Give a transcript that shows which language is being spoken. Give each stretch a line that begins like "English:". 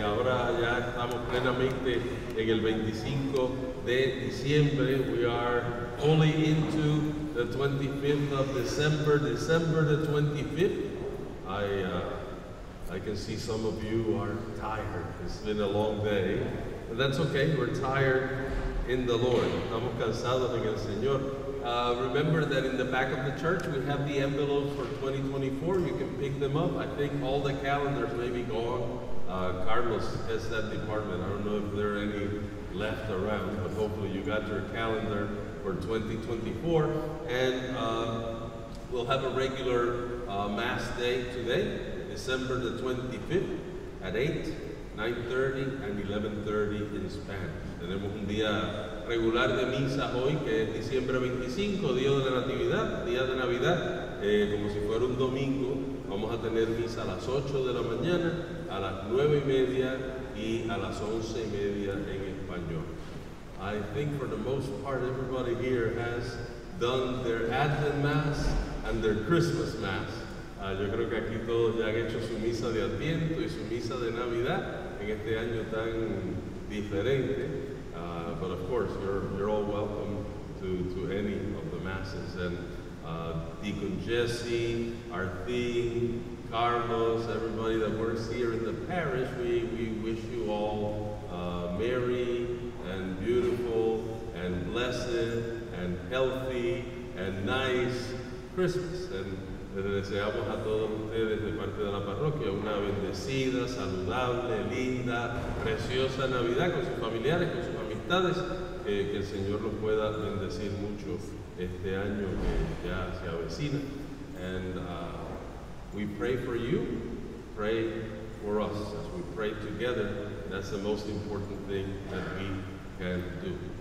Spanish: Ahora ya estamos plenamente en el 25 de diciembre.
English: We are only into the 25th of December, December the 25th. I can see some of you are tired. It's been a long day. But that's okay, we're tired in the Lord. Estamos cansados en el Señor. Remember that in the back of the church, we have the envelopes for 2024. You can pick them up. I think all the calendars may be gone. Carlos has that department. I don't know if there are any left around, but hopefully you got your calendar for 2024. And we'll have a regular mass day today, December the 25th at 8, 9:30, and 11:30 in Spanish.
Spanish: Tenemos un día regular de misa hoy, que es diciembre 25, día de la Natividad, día de Navidad, como si fuera un domingo. Vamos a tener misa a las 8 de la mañana, a las 9 y media y a las 11 y media en español.
English: I think for the most part everybody here has done their Advent Mass and their Christmas Mass.
Spanish: Yo creo que aquí todos ya han hecho su misa de Adviento y su misa de Navidad en este año tan diferente.
English: But of course, you're all welcome to any of the masses. And Deacon Jesse, Arthur, Carlos, everybody that works here in the parish, we wish you all merry and beautiful and blessed and healthy and nice Christmas.
Spanish: And les deseamos a todos ustedes de parte de la parroquia una bendecida, saludable, linda, preciosa Navidad con sus familiares, con sus amistades, que el Señor los pueda bendecir mucho este año que ya se avecina.
English: And we pray for you, pray for us, as we pray together, that's the most important thing that we can do.